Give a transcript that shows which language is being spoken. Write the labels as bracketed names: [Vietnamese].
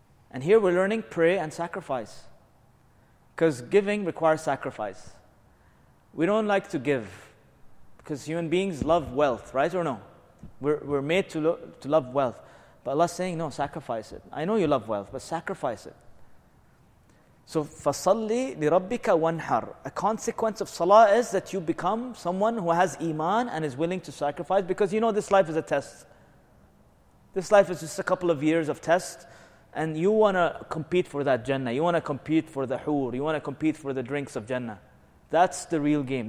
[English] And here we're learning pray and sacrifice. Because giving requires sacrifice. We don't like to give because human beings love wealth, right or no? We're made to love wealth. But Allah's saying, no, sacrifice it. I know you love wealth, but sacrifice it. [Arabic] So, فَصَلِّ لِرَبِّكَ وَانْحَرْ. [English] A consequence of salah is that you become someone who has iman and is willing to sacrifice because you know this life is a test. This life is just a couple of years of test. And you want to compete for that Jannah. You want to compete for the hur. You want to compete for the drinks of Jannah. That's the real game.